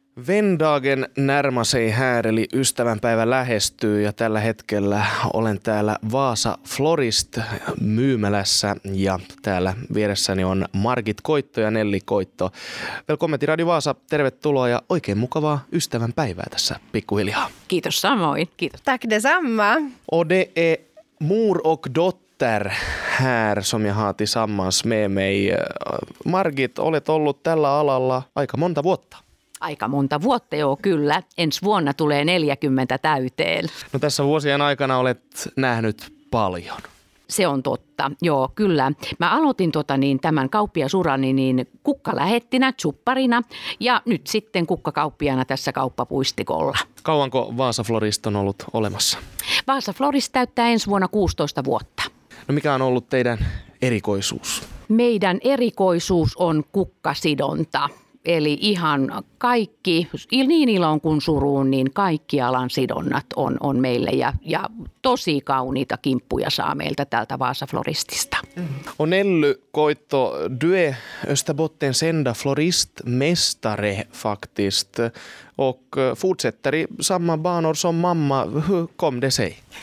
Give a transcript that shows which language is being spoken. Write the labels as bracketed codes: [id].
[sv] Vendagen närma sig här, [fi] eli ystävänpäivä lähestyy, ja tällä hetkellä olen täällä Vaasa Florist myymälässä, ja täällä vieressäni on Margit Koitto ja Nelli Koitto. Velkommen Radio Vaasa, tervetuloa ja oikein mukavaa ystävänpäivää tässä pikkuhiljaa. Kiitos samoin, kiitos. [sv] Tack detsamma. Och det är mor och dotter här som jag har tillsammans med mig. [fi] Margit, olet ollut tällä alalla aika monta vuotta. Aika monta vuotta, joo kyllä. Ensi vuonna tulee 40 täyteen. No tässä vuosien aikana olet nähnyt paljon. Se on totta, joo kyllä. Mä aloitin tämän kauppiasurani niin kukkalähettinä, tsupparina ja nyt sitten kukkakauppiana tässä kauppapuistikolla. Kauanko Vaasa Florist on ollut olemassa? Vaasa Florist täyttää ensi vuonna 16 vuotta. No mikä on ollut teidän erikoisuus? Meidän erikoisuus on kukkasidonta. Eli ihan kaikki, niin iloon kuin suruun, niin kaikki alan sidonnat on meille ja tosi kauniita kimppuja saa meiltä täältä Vaasa Floristista. Mm. [sv] Onelly Koitto, due Österbotten senda florist mestare faktiskt och fortsätteri samma banor som mamma, hur kom det sig?